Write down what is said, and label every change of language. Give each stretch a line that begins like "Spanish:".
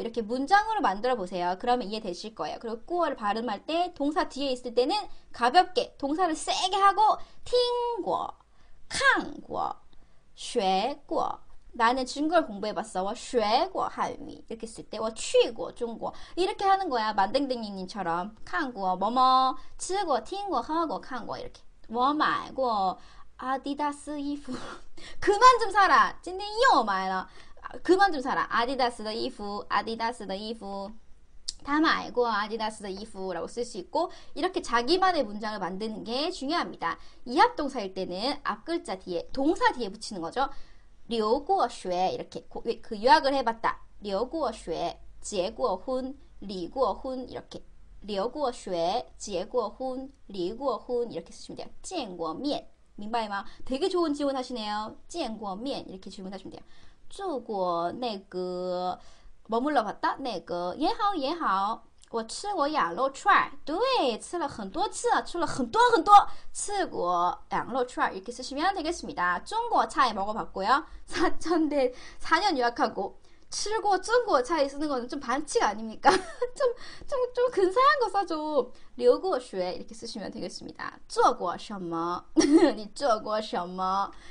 Korean: 이렇게 문장으로 만들어 보세요. 그러면 이해되실 거예요. 그리고 过를 발음할 때, 동사 뒤에 있을 때는 가볍게, 동사를 세게 하고,
Chinese: 听过,看过,学过.
Korean: 나는 중국어 공부해봤어.
Chinese: 我学过汉语.
Korean: 이렇게 쓸 때,
Chinese: 我去过中国.
Korean: 이렇게 하는 거야. 만댕댕이님처럼.
Chinese: 看过,
Korean: 뭐뭐,
Chinese: 吃过,听过,喝过,看过.
Korean: 이렇게.
Chinese: 我买过 아디다스 衣服.
Korean: 그만 좀 사라.
Chinese: 今天又买了.
Korean: 그만 좀 사라.
Chinese: 아디다스의 衣服, 아디다스의 衣服.
Korean: 다 말고 아디다스의 衣服라고 쓸수 있고, 이렇게 자기만의 문장을 만드는 게 중요합니다. 이합동사일 때는 앞글자 뒤에, 동사 뒤에 붙이는 거죠.
Chinese: 留过学,
Korean: 이렇게 그 유학을 해봤다.
Chinese: 留过学,结过婚,离过婚,
Korean: 이렇게.
Chinese: 留过学,结过婚,离过婚,
Korean: 이렇게 쓰시면 돼요.
Chinese: 见过面, 明白吗?
Korean: 되게 좋은 질문 하시네요.
Chinese: 见过面,
Korean: 이렇게 질문하시면 돼요.
Chinese: 住过那个,
Korean: 머물러 봤다? 那个, 예하오, 예하오.
Chinese: 我吃过羊肉串. 对, 吃了很多次, 吃了很多, 吃过羊肉串.
Korean: 이렇게 쓰시면 되겠습니다. 중국차에 먹어봤고요. 4천대, 4년 유학하고.
Chinese: 吃过中国菜
Korean: 쓰는 거는 좀 반칙 아닙니까? 좀 근사한 거 써줘.
Chinese: 留过学
Korean: 이렇게 쓰시면 되겠습니다.
Chinese: 做过什么?你 做过什么?